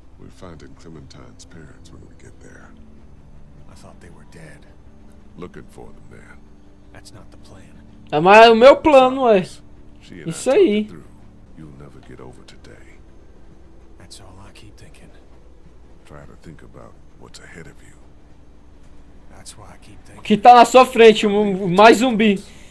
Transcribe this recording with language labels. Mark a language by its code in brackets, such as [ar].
[en] Finding Clementine's parents when we get there. I thought they were dead. Looking for them there. That's not the plan. [pt] É, mas o meu plano é isso aí. [en] You'll never get over today. That's all I keep thinking. Try to think about what's ahead of you. That's why I keep thinking. [pt] O que tá na sua frente, mais zumbi.